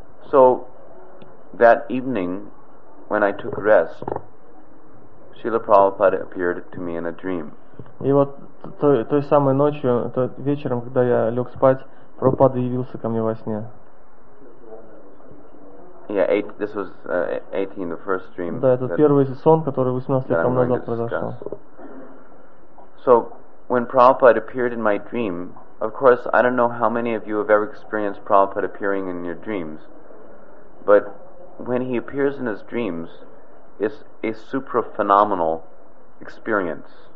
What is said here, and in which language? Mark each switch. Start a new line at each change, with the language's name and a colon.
English: So that evening, when I took rest, Srila Prabhupada appeared to me in a dream.
Russian: И вот той самой ночью, вечером, когда я лег спать, Прабхупада явился ко мне во сне.
English: Yeah, this was 18, the first dream.
Russian: Да, это первый сон, который 18 лет тому назад произошел.
English: So, when Prabhupada appeared in my dream, of course, I don't know how many of you have ever experienced Prabhupada appearing in your dreams, but when he appears in his dreams, it's a supra-phenomenal experience.